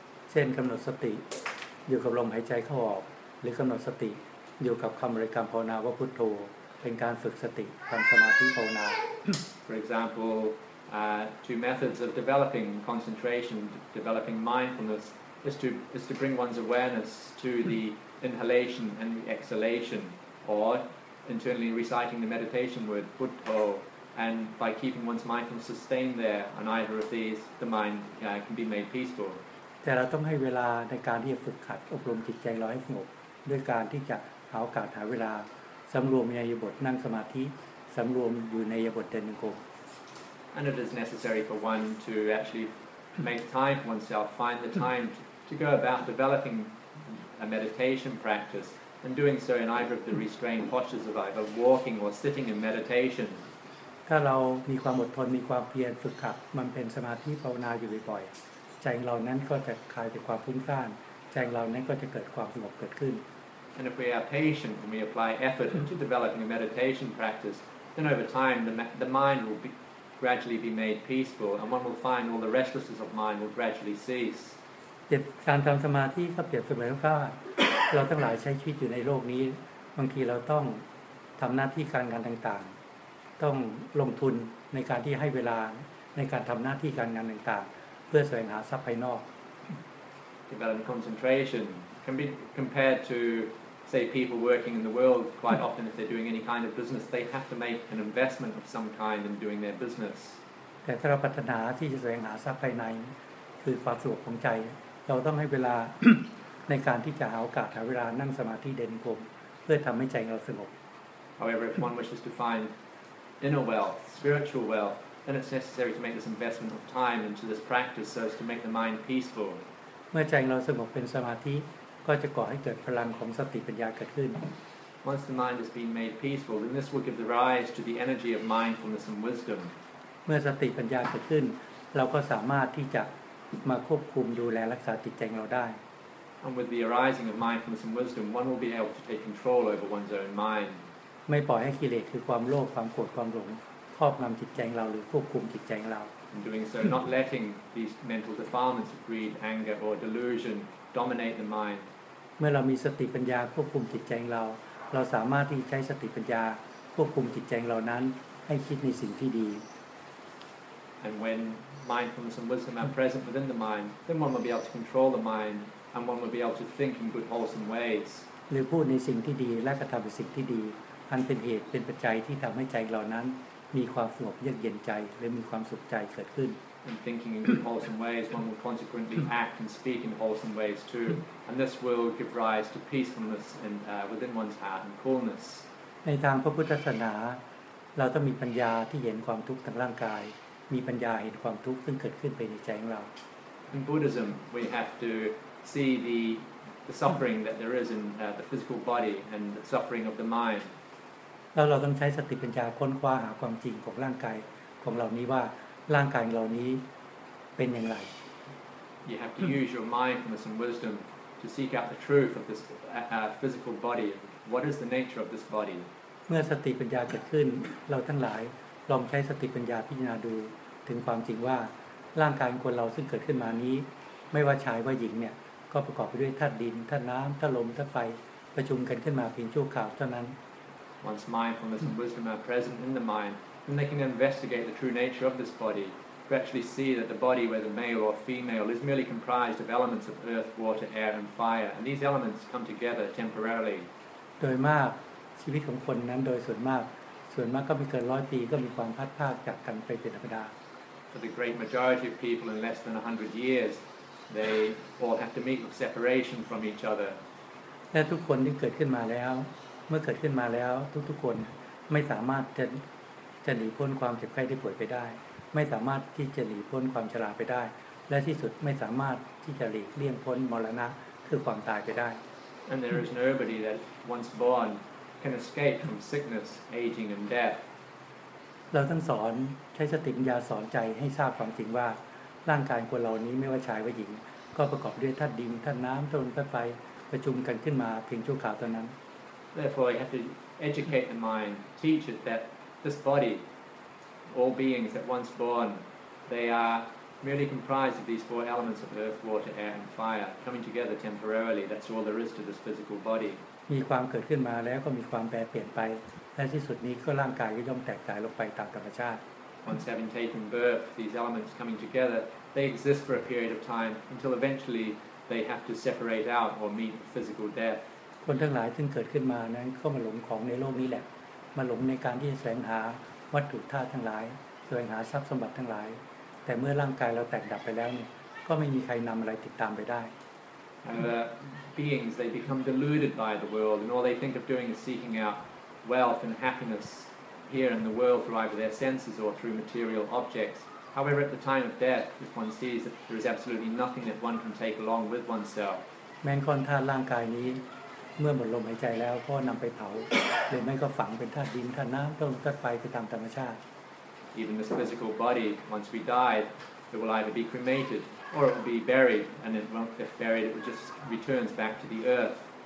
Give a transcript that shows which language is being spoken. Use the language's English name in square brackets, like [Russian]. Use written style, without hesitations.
[Thai] เช่นกำหนดสติอยู่กับลมหายใจเข้าออกหรือกำหนดสติอยู่กับคำบริกรรมภาวนาว่าพุทโธเป็นการฝึกสติทำสมาธิภาวนา [English] For example, two methods of developing concentration, developing mindfulness, is to bring one's awareness to the inhalation and the exhalation, or internally reciting the meditation word Buddho, and by keeping one's mindfulness sustained there on either of these, the mind can be made peaceful. [Thai] แต่เราต้องให้เวลาในการที่จะฝึกขัดอบรมจิตใจเราให้สงบด้วยการที่จะหาโอกาสหาเวลาสำรวมในยบทนั่งสมาธิสำรวมอยู่ในยบทเดินจงกรม [English] And it is necessary for one to actually make time for oneself, find the time to go about developing a meditation practice, and doing so in either of the restrained postures of either walking or sitting in meditation. [Thai] ถ้าเรามีความอดทนมีความเพียรฝึกขัดมันเป็นสมาธิภาวนาอยู่บ่อยๆใจเรานั้นก็จะคลายจากความฟุ้งซ่านใจเรานั้นก็จะเกิดความสงบเกิดขึ้น [English] And if we are patient and we apply effort into developing a meditation practice, then over time the mind will be gradually be made peaceful, and one will find all the restlessness of mind will gradually cease. [Thai] การทำสมาธิก็เปรียบเสมือนว่าเราทั้งหลายใช้ชีวิตอยู่ในโลกนี้บางทีเราต้องทำหน้าที่การงานต่างๆต้องลงทุนในการที่ให้เวลาในการทำหน้าที่การงานต่างๆเพื่อแสวงหาทรัพย์ภายนอก [English] Developing concentration. Can be compared to, say, people working in the world. Quite often, if they're doing any kind of business, they have to make an investment of some kind in doing their business. [Thai] แต่ถ้าเราปรารถนาที่จะแสวงหาทรัพย์ภายในคือความสุขของใจเราต้องให้เวลาในการที่จะหาโอกาสหาเวลานั่งสมาธิเดินกลมเพื่อทำให้ใจเราสงบ [English] However, if one wishes to find inner wealth, spiritual wealth, then it's necessary to make this investment of time into this practice so as to make the mind peaceful. [Thai] เมื่อใจเราสงบเป็นสมาธิ ก็จะก่อให้เกิดพลังของสติปัญญาเกิดขึ้น [English] Once the mind has been made peaceful then this will give the rise to the energy of mindfulness and wisdom [Thai] เมื่อสติปัญญาเกิดขึ้นเราก็สามารถที่จะมาควบคุมดูแลรักษาจิตใจของเราได้ [English] And with the arising of mindfulness and wisdom, one will be able to take control over one's own mind. [Thai] ไม่ปล่อยให้กิเลสคือความโลภความโกรธความหลงครอบงำจิตใจเราหรือควบคุมจิตใจเรา [English] And doing so, not letting these mental defilements of greed, anger, or delusion dominate the mind. [Thai] เมื่อเรามีสติปัญญาควบคุมจิตใจเราเราสามารถที่ใช้สติปัญญาควบคุมจิตใจเรานั้นให้คิดในสิ่งที่ดี [English] And when mindfulness and wisdom are present within the mind, then one will be able to control the mind. And one will be able to think in good wholesome ways. [Thai] หรือพูดในสิ่งที่ดีและกระทำในสิ่งที่ดีอันเป็นเหตุเป็นปัจจัยที่ทำให้ใจเรานั้นมีความสงบเยือกเย็นใจหรือมีความสุขใจเกิดขึ้น [English] And thinking in good wholesome ways, one will consequently act and speak in wholesome ways too. And this will give rise to peacefulness and within one's heart and coolness. [Thai] ในทางพระพุทธศาสนาเราต้องมีปัญญาที่เห็นความทุกข์ทางร่างกายมีปัญญาเห็นความทุกข์ซึ่งเกิดขึ้นไปในใจของเรา [English] In Buddhism, we have toSee the suffering that there is in the physical body and the suffering of the mind. [Thai] เราต้องใช้สติปัญญาค้นคว้าหาความจริงของร่างกายของเรานี้ว่าร่างกายเรานี้เป็นอย่างไร [English] You have to use your mindfulness and wisdom to seek out the truth of this physical body. What is the nature of this body? [Thai] เมื่อสติปัญญาเกิดขึ้นเราทั้งหลายลองใช้สติปัญญาพิจารณาดูถึงความจริงว่าร่างกายของเราซึ่งเกิดขึ้นมานี้ไม่ว่าชายว่าหญิงเนี่ยก็ประกอบไปด้วยธาตุดินธาตุน้ำธาตุลมธาตุไฟประชุมกันขึ้นมาเพียงชั่วคราวเท่านั้น [English] Once mindfulness and wisdom are present in the mind, then they can investigate the true nature of this body, to actually see that the body, whether male or female, is merely comprised of elements of earth, water, air, and fire, and these elements come together temporarily. [Thai] โดยมากชีวิตของคนนั้นโดยส่วนมากก็มีเกิน100 ปีก็มีความพัดภาคจากกันไปเป็นธรรมดา [English] For the great majority of people in less than 100 years,They all have to meet with separation from each other. [Thai] และทุกคนที่เกิดขึ้นมาแล้วเมื่อเกิดขึ้นมาแล้วทุกคนไม่สามารถจะหนีพ้นความเจ็บไข้ที่ป่วยไปได้ไม่สามารถที่จะหนีพ้นความชราไปได้และที่สุดไม่สามารถที่จะหลีกเลี่ยงพ้นมรณะคือความตายไปได้ [English] And there is nobody that once born can escape from sickness, aging, and death. [Thai] เราต้องสอนใช้สติปัญญาสอนใจให้ทราบความจริงว่าร่างกายของเรานี้ไม่ว่าชายว่าหญิงก็ประกอบด้วยธาตุดินธาตุน้ำธาตุลมธาตุไฟประชุมกันขึ้นมาเพียงชั่วคราวเท่านั้น [English] Therefore you have to educate the mind teach it that this body all beings that once born they are merely comprised of these four elements of earth water air and fire coming together temporarily that's all there is to this physical body [Thai] มีความเกิดขึ้นมาแล้วก็มีความแปรเปลี่ยนไปและที่สุดนี้ก็ร่างกายก็ย่อมแตกตายลงไปตามธรรมชาติ [English] Once having taken birth, these elements coming together, they exist for a period of time until eventually they have to separate out or meet physical death. [Thai] คนทั้งหลายที่เกิดขึ้นมานั้นก็มาหลงของในโลกนี้แหละมาหลงในการที่จะแสวงหาวัตถุธาตุทั้งหลายแสวงหาทรัพย์สมบัติทั้งหลายแต่เมื่อร่างกายเราแตกดับไปแล้วเนี่ยก็ไม่มีใครนำอะไรติดตามไปได้ [English] And beings, they become deluded by the world, and all they think of doing is seeking out wealth and happiness. Here in the world, through either their senses or through material objects. However, at the time of death, if one sees that there is absolutely nothing that one can take along with oneself, [Thai] แม้ก้อนธาตุร่างกายนี้เมื่อหมดลมหายใจแล้วก็นำไปเผาหรือไม่ก็ฝังเป็นธาตุดินธาตุน้ำต้องตัดไปตามธรรมชาติ [English] Even this physical body, once we die, it will either be cremated or it will be buried, and if buried, it will just returns back to the earth.